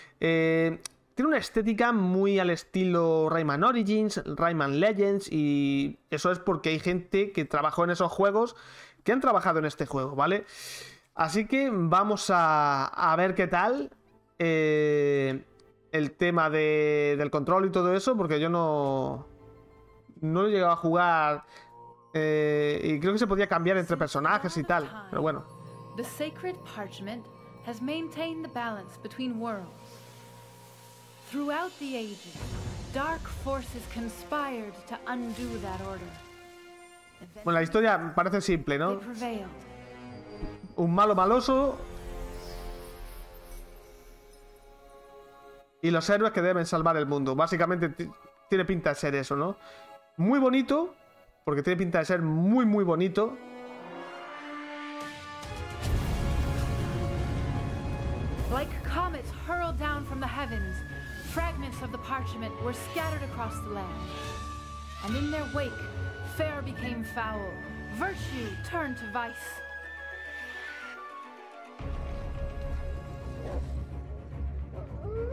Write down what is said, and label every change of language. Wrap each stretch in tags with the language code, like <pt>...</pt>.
<es>Tiene una estética muy al estilo Rayman Origins, Rayman Legends, y eso es porque hay gente que trabajó en esos juegos que han trabajado en este juego, ¿vale? Así que vamos a ver qué tal el tema del control y todo eso, porque yo no he llegado a jugar y creo que se podía cambiar entre personajes y tal, pero bueno.</es> <en>The sacred parchment has maintained the balance between worlds. Throughout the ages, dark forces conspired to undo that order.</en> <es>Bueno, la historia parece simple, ¿no? Un malo maloso y los héroes que deben salvar el mundo. Básicamente tiene pinta de ser eso, ¿no? Muy bonito, porque tiene pinta de ser muy, muy bonito.</es> <en>Like comets hurled down from the heavens, fragments of the parchment were scattered across the land. And in their wake, fair became foul, virtue turned to vice.</en>